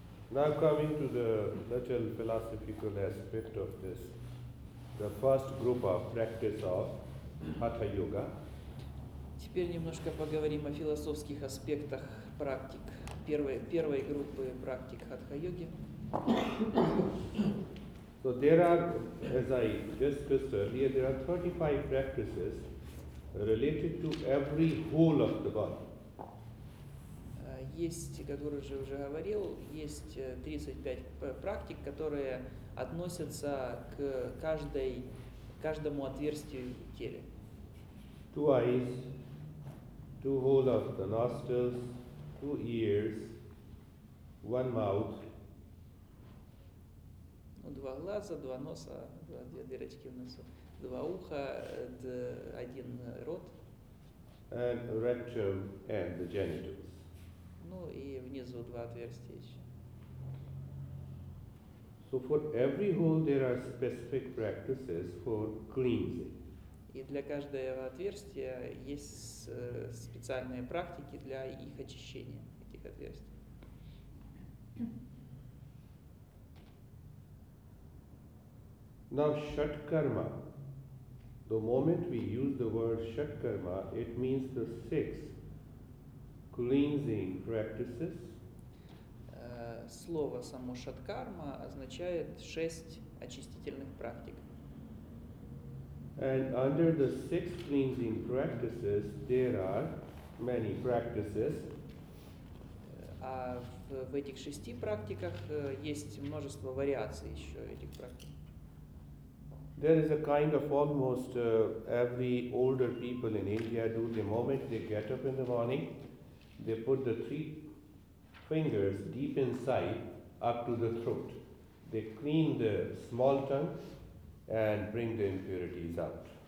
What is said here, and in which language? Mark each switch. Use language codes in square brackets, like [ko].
[en] Now coming to the little philosophical aspect of this, the first group of practice of Hatha Yoga. [ru] Теперь немножко поговорим о философских аспектах практик. Первой группы практик хатха-йоги. [en] So there are, as I discussed earlier, there are 35 practices related to every whole of the body. [ru] Есть, как я уже говорил, есть 35 практик, которые относятся к каждому отверстию в теле. [en] Two eyes, two whole of the nostrils, two ears, one mouth. [ru] Ну, два глаза, два носа, две дырочки в носу, два уха, один рот. [en] And rectum and the genitals. [ru] Ну и внизу два отверстия еще. [en] So for every hole there are specific practices for cleansing. [ru] И для каждого отверстия есть специальные практики для их очищения, этих отверстий. [en] Now, Shatkarma. The moment we use the word Shatkarma, it means the six cleansing practices. [ru] Слово само Шаткарма означает шесть очистительных практик. [en] And under the six cleansing practices, there are many practices. [ru] А в этих шести практиках есть множество вариаций еще этих практик. [en] There is a kind of almost every older people in India do the moment they get up in the morning, they put the three fingers deep inside up to the throat. They clean the small tongue and bring the impurities out.